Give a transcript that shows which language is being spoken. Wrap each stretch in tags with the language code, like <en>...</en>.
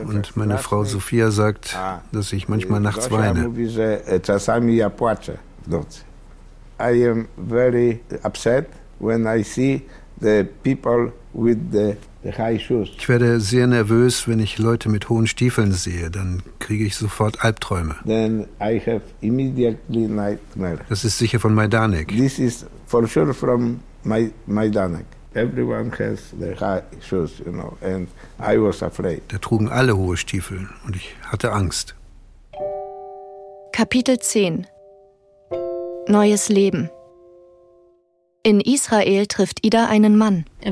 <de>Und meine Frau Sophia sagt, dass ich manchmal nachts weine. Ich werde sehr nervös, wenn ich Leute mit hohen Stiefeln sehe. Dann kriege ich sofort Albträume.</de> <en>Then I have immediately nightmare.</en> <de>Das ist sicher von Majdanek.</de> <en>This is for sure from Majdanek. Everyone has the high shoes, you know, and I was afraid.</en> <de>Da trugen alle hohe Stiefel und ich hatte Angst. Kapitel 10. Neues Leben. In Israel trifft Ida einen Mann.</de>